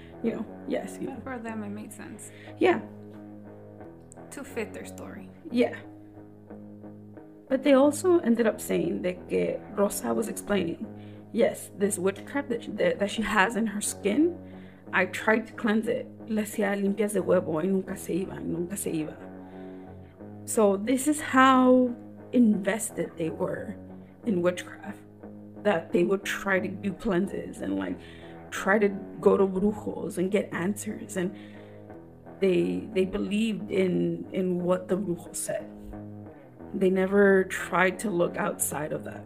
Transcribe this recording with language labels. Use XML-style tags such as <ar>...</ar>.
<en>You know, yes. You know. For them, it makes sense. Yeah. To fit their story. Yeah. But they also ended up saying that Rosa was explaining, yes, this witchcraft that she has in her skin, I tried to cleanse it.</en> <es>Le hacía limpias de huevo y nunca se iba, nunca se iba.</es> <en>So this is how invested they were in witchcraft, that they would try to do cleanses and like try to go to brujos and get answers. And they believed in what the brujo said. They never tried to look outside of that.</en>